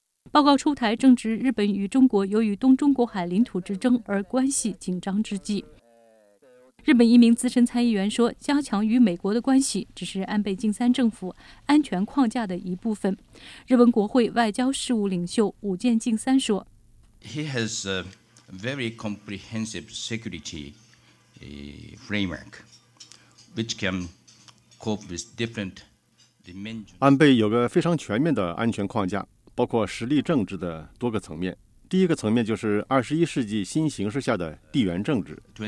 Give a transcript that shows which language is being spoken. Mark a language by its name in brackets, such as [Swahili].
[Chinese] 报告出台正值日本与中国由于东中国海领土之争而关系紧张之际。日本一名资深参议员说，加强与美国的关系只是安倍晋三政府安全框架的一部分。日本国会外交事务领袖武见晋三说， [English] He has a very comprehensive security framework which can cope with different dimensions. [Chinese] 安倍有个非常全面的安全框架，包括实力政治的多个层面。第一个层面就是21世纪新形势下的地缘政治。